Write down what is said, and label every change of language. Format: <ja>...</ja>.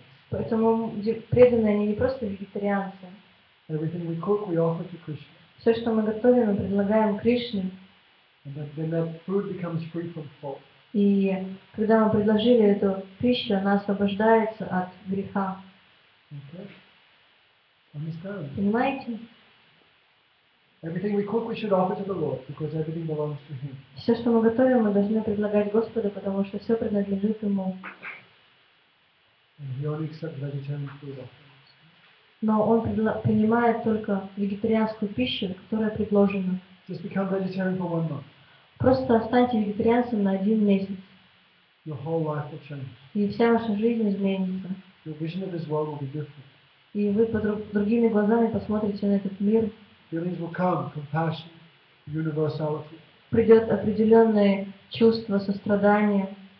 <ru>Поэтому преданные, они не просто вегетарианцы.</ru> <en>Everything we cook, we offer to Krishna.</en> <ru>Все, что мы готовим, мы предлагаем Кришне.</ru> <en>And then that food becomes free from fault.</en> <ru>И когда мы предложили эту пищу, она освобождается от греха.</ru> <en>Okay. Understand.</en> <ru>Понимаете?</ru> <en>Everything we cook, we should offer to the Lord, because everything belongs to Him.</en> <ru>Все, что мы готовим, мы должны предлагать Господу, потому что все принадлежит Ему.</ru> <en>And he only accepts vegetarian food.</en> <ru>Но он принимает только вегетарианскую пищу, которая предложена.</ru> <en>Just become vegetarian for one month.</en> <ru>Просто станьте вегетарианцем на один месяц.</ru> <en>Your whole life will change.</en> <ru>И вся ваша жизнь изменится.</ru> <en>Your vision of this world will be different.</en> <ru>И вы другими глазами посмотрите на этот мир.</ru> <en>Feelings will come, compassion, universality.</en> <ru>Придет определенное чувство сострадания.</ru>